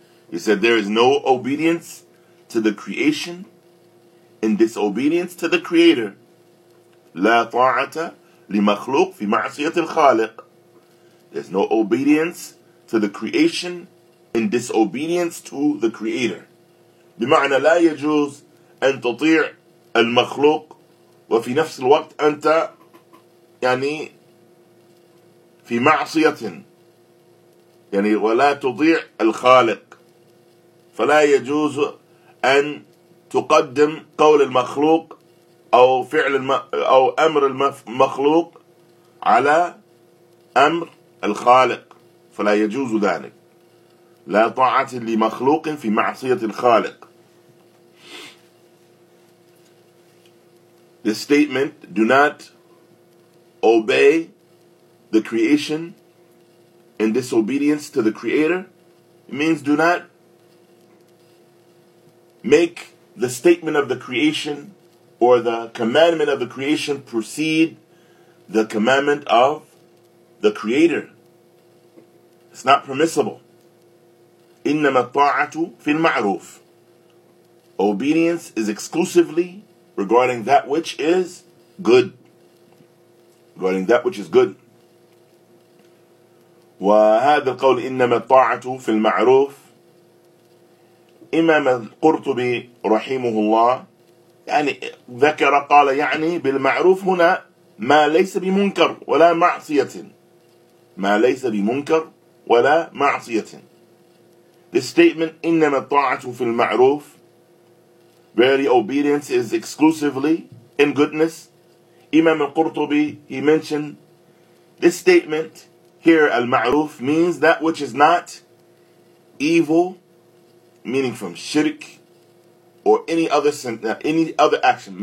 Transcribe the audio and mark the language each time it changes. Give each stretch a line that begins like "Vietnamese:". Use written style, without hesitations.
English: He said, there is no obedience to the creation in disobedience to the Creator.
Arabic: لا طاعة لمخلوق في معصية الخالق.
English: There's no obedience to the creation in disobedience to the Creator.
Arabic: بمعنى لا يجوز أن تطيع المخلوق وفي نفس الوقت أنت يعني في معصية, يعني ولا تطيع الخالق, فلا يجوز أن تقدم قول المخلوق أو فعل أو أمر المخلوق على أمر الخالق, فلا يجوز ذلك. لا طاعة لمخلوق في معصية الخالق.
English: The statement, do not obey the creation in disobedience to the creator, means do not make the statement of the creation or the commandment of the creation precede the commandment of the creator. It's not permissible.
Arabic: إنما الطاعة في المعروف.
English: Obedience is exclusively regarding that which is good. Regarding that which is good.
Arabic: وهذا القول إنما الطاعة في المعروف إمام القرطبي رحمه الله يعني ذكر قال يعني بالمعروف هنا ما ليس بمنكر ولا معصية. ما ليس بمنكر ولا معصية.
English: The statement
Arabic: إنما الطاعة في المعروف,
English: very obedience is exclusively in goodness. Imam al-Qurtubi, he mentioned this statement here, al-ma'ruf, means that which is not evil, meaning from shirk or any other action.